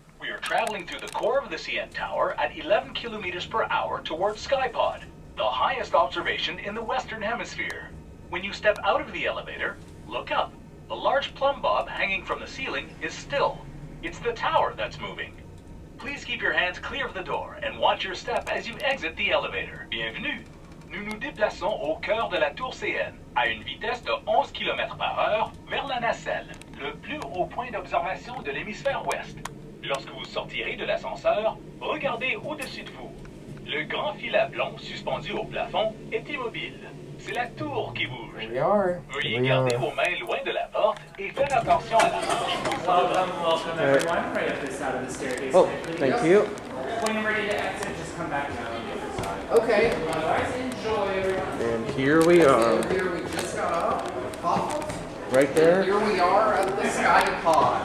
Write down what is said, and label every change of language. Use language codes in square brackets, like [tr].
[en] We are traveling through the core of the CN Tower at 11 kilometers per hour towards Skypod, the highest observation in the Western Hemisphere. When you step out of the elevator, look up. The large plumb bob hanging from the ceiling is still. It's the tower that's moving. Please keep your hands clear of the door and watch your step as you exit the elevator. [fr] Bienvenue. Nous nous déplaçons au cœur de la tour CN à une vitesse de 11 km par heure vers la nacelle, le plus haut point d'observation de l'hémisphère ouest. Lorsque vous sortirez de l'ascenseur, regardez au-dessus de vous. Le grand filet blanc suspendu au plafond est immobile. C'est la tour qui bouge. [en] Here we are. [fr] Veuillez garder vos mains loin de la porte et faire attention à la porte. [en] Welcome, welcome everyone. Right up this side of the staircase. Oh, thank you. When you're ready to exit, just come back down on the other side. Okay. Otherwise, enjoy everyone. And here we are. Here we just got up. Huh? Right there. And here we are at the sky pod.